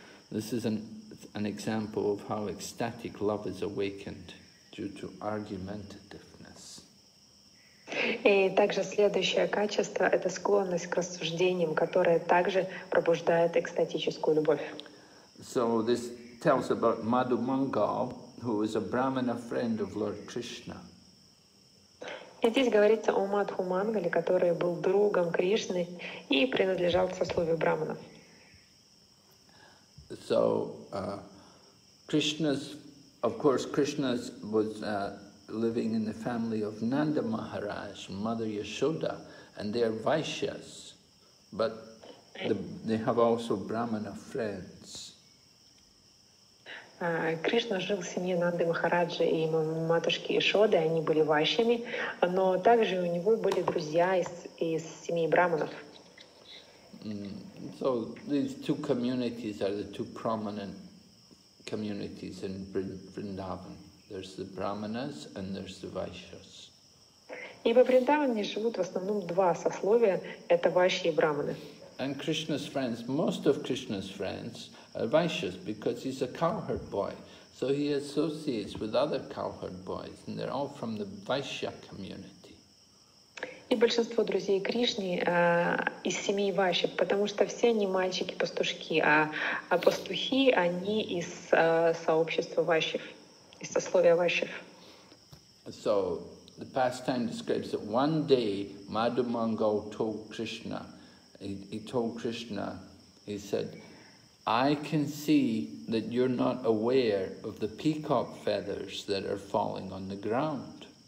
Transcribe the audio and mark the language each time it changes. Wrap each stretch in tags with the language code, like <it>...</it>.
<en>This is an example of how ecstatic love is awakened due to argumentativeness.</en> <ru>И также следующее качество — это склонность к рассуждениям, которая также пробуждает экстатическую любовь.</ru> <en>So this tells about Madhumangal, who is a Brahmana friend of Lord Krishna.</en> <ru>И здесь говорится о Мадхумангале, который был другом Кришны и принадлежал к сословию брахманов.</ru> <en>So Krishna's was living in the family of Nanda Maharaj, Mother Yashoda, and they are Vaishyas, but they have also Brahmana friends.</en> <ru>Кришна жил в семье Нанды Махараджа и матушки Яшоды, они были Вайшьями, но также у него были друзья из семьи Брахманов.</ru> <en>So these two communities are the two prominent communities in Vrindavan. There's the Brahmanas and there's the Vaishyas.</en> <ru>И во Вриндаване живут в основном два сословия, это Вайши и Брахманы.</ru> <en>And Krishna's friends, most of Krishna's friends are Vaishyas because he's a cowherd boy. So he associates with other cowherd boys and they're all from the Vaishya community.</en> <ru>И большинство друзей Кришны из семьи Вайши, потому что все они мальчики-пастушки, а пастухи, они из сообщества Вайши.</ru> <en>So the pastime describes that one day Madhumangal told Krishna, he said, I can see that you're not aware of the peacock feathers that are falling on the ground.</en>